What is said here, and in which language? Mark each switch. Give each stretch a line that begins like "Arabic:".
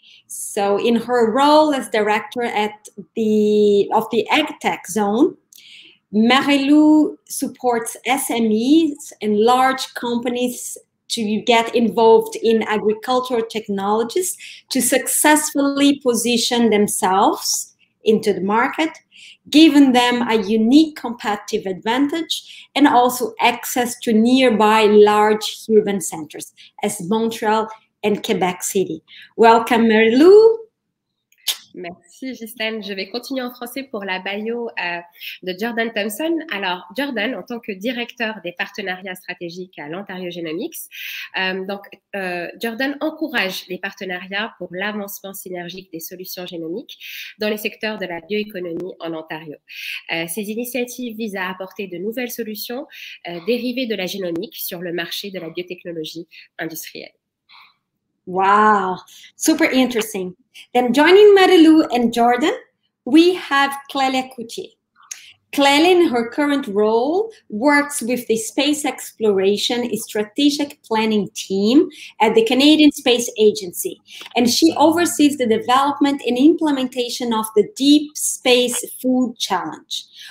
English: So in her role as director at the of the AgTech Zone, Marie-Lou supports SMEs and large companies to get involved in agricultural technologies to successfully position themselves into the market, giving them a unique competitive advantage and also access to nearby large urban centers as Montreal and Quebec City. Welcome, Marie-Lou.
French: Merci, Ghislaine. Je vais continuer en français pour la bio de Jordan Thompson. Alors, Jordan, en tant que directeur des partenariats stratégiques à l'Ontario Genomics, Jordan encourage les partenariats pour l'avancement synergique des solutions génomiques dans les secteurs de la bioéconomie en Ontario. Ces initiatives visent à apporter de nouvelles solutions dérivées de la génomique sur le marché de la biotechnologie industrielle.
English: Wow, super interesting. Then joining Marie-Lou and Jordan, we have Clélia Coutier. Clélia, in her current role, works with the Space Exploration Strategic Planning Team at the Canadian Space Agency, and she oversees the development and implementation of the Deep Space Food Challenge.